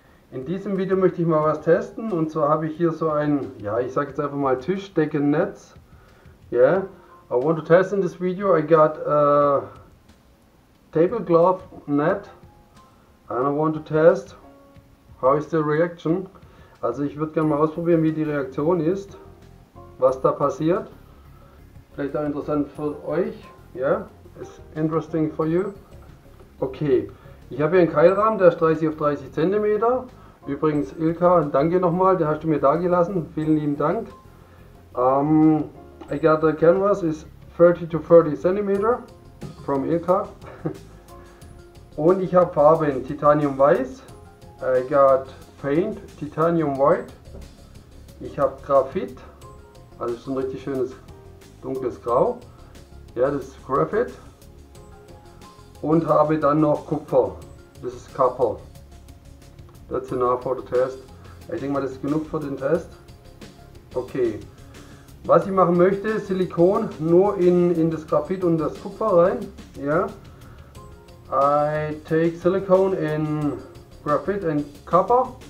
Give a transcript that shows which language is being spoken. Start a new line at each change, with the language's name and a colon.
German: In diesem Video möchte ich mal was testen. Und zwar habe ich hier so ein, ja, ich sage jetzt einfach mal Tischdeckennetz.
English: Yeah. I want to test in this video. I got a tablecloth net. And I want to test how is the reaction.
German: Also ich würde gerne mal ausprobieren, wie die Reaktion ist. Was da passiert. Vielleicht auch interessant für euch. Yeah.
English: It's interesting for you.
German: Okay, ich habe hier einen Keilrahmen, der ist 30 auf 30 cm. Übrigens, Ilka, danke nochmal, den hast du mir da gelassen. Vielen lieben Dank.
English: I got the canvas, is 30 to 30 cm from Ilka.
German: Und ich habe Farben, Titanium Weiß.
English: I got Paint, Titanium White.
German: Ich habe Graphit, also ist ein richtig schönes dunkles Grau. Ja, das ist Graphit. Und habe dann noch Kupfer. Das ist Copper.
English: That's enough for the test.
German: Ich denke mal, das ist genug für den Test. Okay. Was ich machen möchte, Silikon nur in das Graphit und das Kupfer rein. Ja.
English: Yeah. I take silicone in Graphit and Copper.